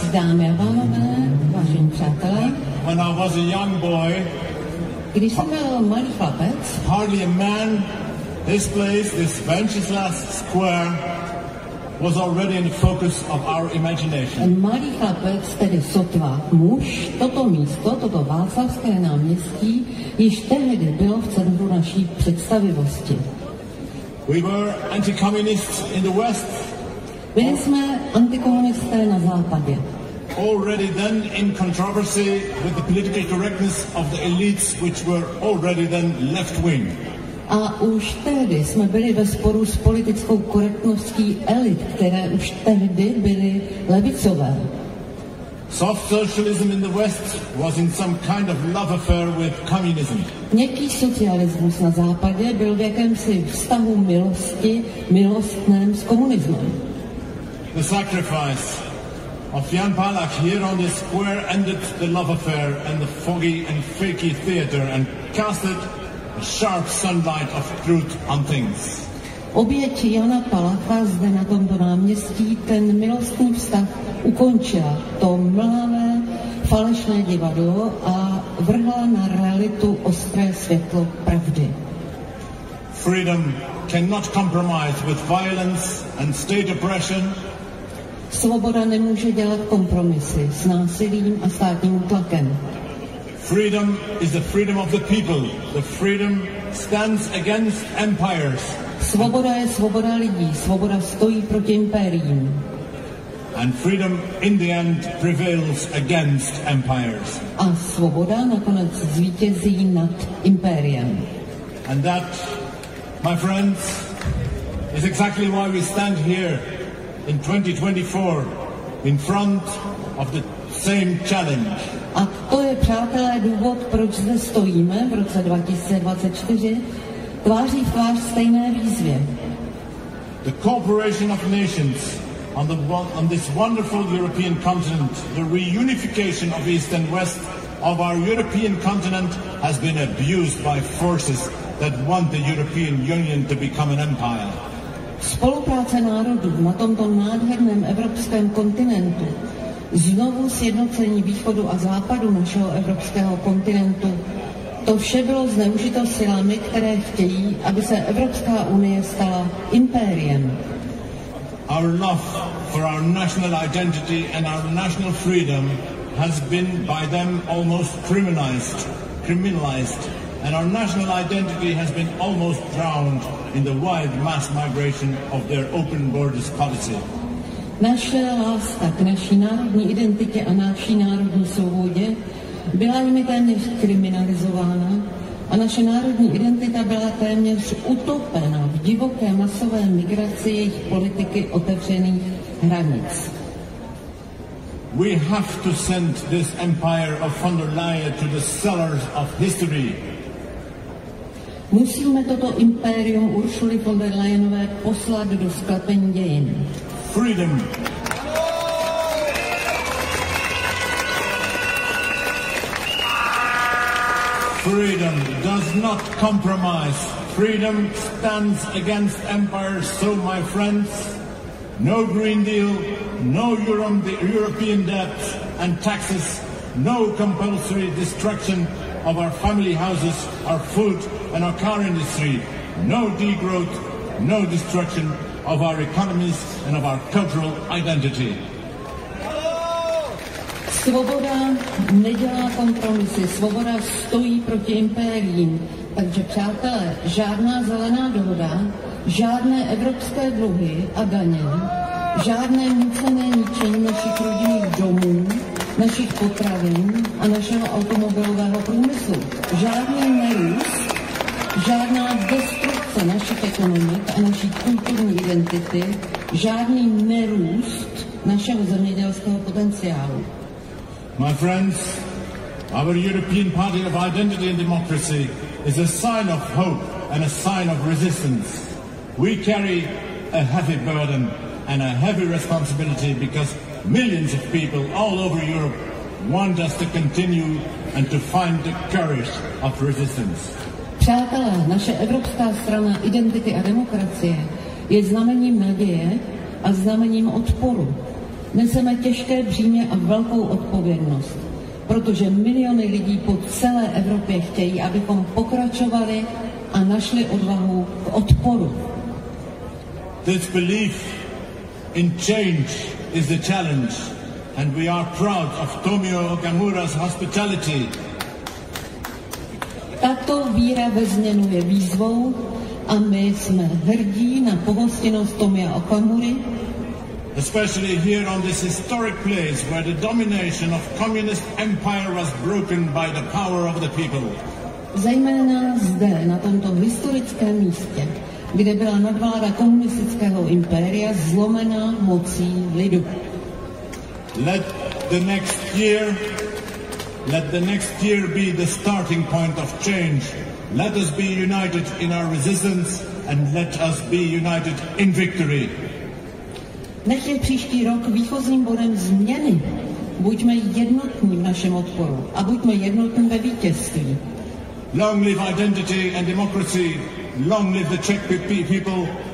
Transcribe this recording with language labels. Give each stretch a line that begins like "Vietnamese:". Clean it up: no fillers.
Czech: Dámy a pánové, vážení přátelé.
English: When I was a young boy,
Czech: když jsem byl malý chlapec,
English: hardly a man, this place, this Venceslas Square, was already in the focus of our imagination.
Czech: A malý chlapec, tedy sotva muž, toto místo, toto Václavské náměstí, již tehdy bylo v centru naší představivosti.
English: We were anti-communists in the West.
Czech: My jsme antikomunisté na západě.
English: Already then in controversy with the political correctness of the elites, which were already then left-wing.
Czech: A už tehdy jsme byli ve sporu s politickou korektností elit, které už tehdy byly levicové.
English: Soft socialism in the West was in some kind of love affair with communism.
Czech: Měkký socialismus na západě byl v jakémsi vztahu milosti, milostném s komunismem.
English: The sacrifice of Jan Palach here on this square ended the love affair and the foggy and fakey theater and casted a sharp sunlight of truth on things.
Czech: Oběť Jana Palacha zde na tomto náměstí ten milostný vztah ukončila, to mlhavé, falešné divadlo, a vrhla na realitu ostré světlo pravdy.
English: Freedom cannot compromise with violence and state oppression.
Czech: Svoboda nemůže dělat kompromisy s násilím a státním útlakem.
English: Freedom is the freedom of the people. The freedom stands against empires.
Czech: Svoboda je svoboda lidí. Svoboda stojí proti impériím.
English: And freedom in the end prevails against empires.
Czech: A svoboda nakonec zvítězí nad impériem.
English: And that, my friends, is exactly why we stand here in 2024, in front of the same challenge.
Czech: A to je, přátelé, důvod, proč zde stojíme v roce 2024, tváří v tvář stejné výzvě.
English: The cooperation of nations on this wonderful European continent, the reunification of East and West of our European continent has been abused by forces that want the European Union to become an empire.
Czech: Spolupráce národů na tomto nádherném evropském kontinentu, znovu sjednocení východu a západu našeho evropského kontinentu, to vše bylo zneužito silami, které chtějí, aby se Evropská unie stala impériem.
English: Our love for our national identity and our national freedom has been by them almost criminalized. And our national identity has been almost drowned in the wide mass migration of their open borders policy.
Czech: Naše láska k naší národní identitě a naší národní svobodě byla jimi téměř kriminalizována a naše národní identita byla téměř utopena v divoké masové migraci jejich politiky otevřených hranic.
English: We have to send this empire of von der Leyen to the cellars of history.
Czech: Musíme toto impérium Ursuly von der Leyenové poslat do sklepení dějin.
English: Freedom. Freedom does not compromise. Freedom stands against empires. So, my friends, no Green Deal, no European debt and taxes, no compulsory destruction of our family houses, our food and our car industry, no degrowth, no destruction of our economies and of our cultural identity.
Czech: Svoboda nedělá kompromisy, svoboda stojí proti impériím. Takže přátelé, žádná zelená dohoda, žádné evropské dluhy a daně, žádné nucené ničení našich rodinných domů, našich potravin a našeho automobilového průmyslu. Žádný nerůst, žádná destrukce našich ekonomik a naší kulturní identity, žádný nerůst našeho zemědělského potenciálu.
English: My friends, our European Party of Identity and Democracy is a sign of hope and a sign of resistance. We carry a heavy burden and a heavy responsibility because millions of people all over Europe want us to continue and to find the courage of resistance.
Czech: Přátelé, naše Evropská strana Identity a Demokracie je znamením naděje a znamením odporu. Neseme těžké břímě a velkou odpovědnost, protože miliony lidí po celé Evropě chtějí, abychom pokračovali a našli odvahu k odporu.
English: This belief in change is the challenge, and we are proud of Tomio Okamura's hospitality.
Czech: Tato víra ve změnu je výzvou a my jsme hrdí na pohostinnost Tomia Okamury.
English: Especially here on this historic place where the domination of communist empire was broken by the power of the people.
Czech: Zejména zde, na tomto historickém místě, kde byla nadvláda komunistického impéria zlomená mocí lidu.
English: Let the next year be the starting point of change. Let us be united in our resistance and let us be united in victory.
Czech: Nech je příští rok výchozím bodem změny. Buďme jednotní v našem odporu a buďme jednotní ve vítězství.
English: Long live identity and democracy. Long live the Czech people.